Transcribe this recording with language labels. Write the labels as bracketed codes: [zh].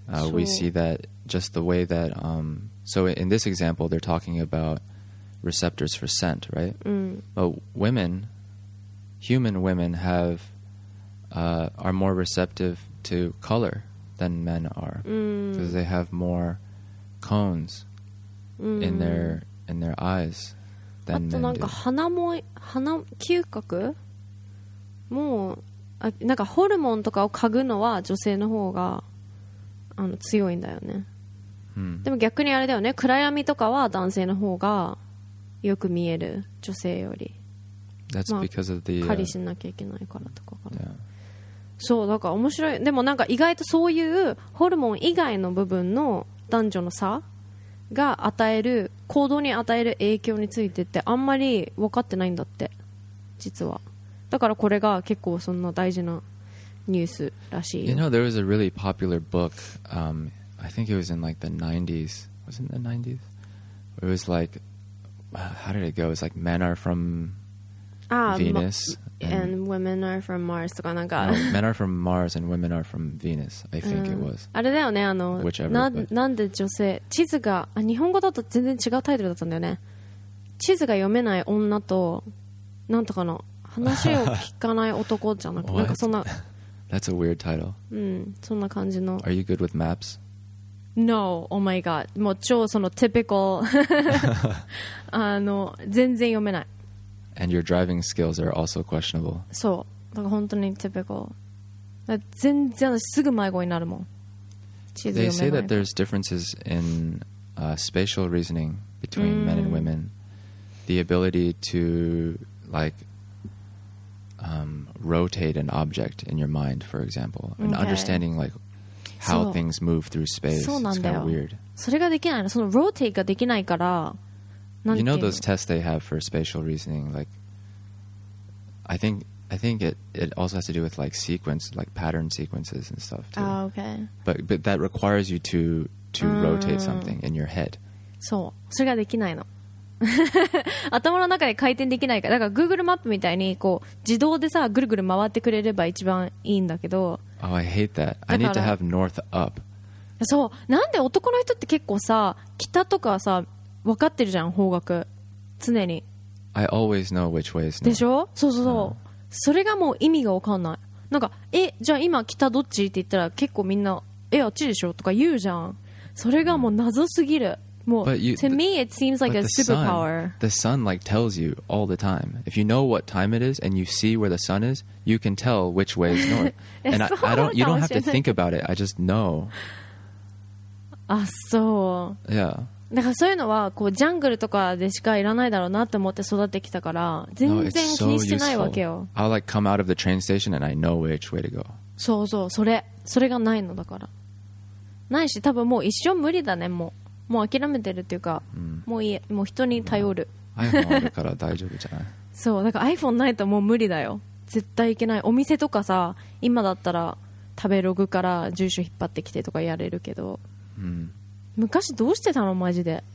[en] We see that just the way that... So in this example, they're talking about receptors for scent, right? But women, human women, have are more receptive to color than men are, because they have more cones in their eyes than men do. [ja] あとなんか鼻も鼻嗅覚もあなんかホルモンとかを嗅ぐのは女性の方があの強いんだよね。でも逆にあれだよね、暗闇とかは男性の方がよく見える、女性より。 [en] That's because of the, [ja] 狩りしなきゃいけないからとかかな。そう、だから面白い。でもなんか意外とそういうホルモン以外の部分の男女の差が与える行動に与える影響についてってあんまり分かってないんだって実は。だからこれが結構そんな大事なニュースらしい。 [en] You know, there was a really popular book、I think it was in like the 90s. Was it in the 90s? It was like, how did it go? It was like men are from Venus. And women are from Mars. [ja] とかなんか [en] no, men are from Mars and women are from Venus. I think it was. [ja] あれだよね、あの、 [en] whichever, [ja] なんで女性、地図が、あ、日本語だと全然違うタイトルだったんだよね。地図が読めない女と、なんとかの、話を聞かない男じゃなくて、なんかそんな。 [en] That's a weird title. [ja] そんな感じの。 [en] Are you good with maps? No, oh my god. [ja] もう超その typical あの全然読めない。 [en] And your driving skills are also questionable. [ja] そう、だから本当に typical。全然すぐ迷子になるもん、地図読めない。 [en] They say that there's differences in、spatial reasoning between men and women. The ability to like、rotate an object in your mind, for example. And understanding likehow things move through space. [ja] そうなんだよ。 [en] It's kind of weird. [ja] それができないの、そのローテイができないから。なんていうの、 [en] You know those tests they have for spatial reasoning? Like, I think it also has to do with like sequence, like pattern sequences and stuff too. Ah, okay. But that requires you to rotate something in your head. [ja] そう、それができないの。頭の中で回転できないから、だから Google マップみたいにこう自動でさぐるぐる回ってくれれば一番いいんだけど。 [en] Oh, I hate that. I need to have north up. [ja] そう、なんで男の人って結構さ北とかさ分かってるじゃん、方角常に。 [en] I always know which way is north. [ja] でしょ、そうそうそう、それがもう意味が分かんない。なんか、え、じゃあ今北どっちって言ったら結構みんな、え、あっちでしょとか言うじゃん。それがもう謎すぎる。もう [en] to me it seems like a superpower. The sun like tells you all the time. If you know what time it is and you see where the sun is, you can tell which way is north. And you don't have to think about it. I just know. [ja] あ、そう。 [en] Yeah. [ja] だからそういうのはこうジャングルとかでしかいらないだろうなって思って育ってきたから全然気にしてないわけよ。 [en] I'll like come out of the train station and I know which way to go. [ja] そうそう、それがないのだから。ないし、多分もう一生無理だね、もう。もう諦めてるっていうか、もういい、もう人に頼る。 iPhone あるから大丈夫じゃない。そう、だから iPhone ないともう無理だよ。絶対行けない。お店とかさ、今だったら食べログから住所引っ張ってきてとかやれるけど、昔どうしてたのマジで。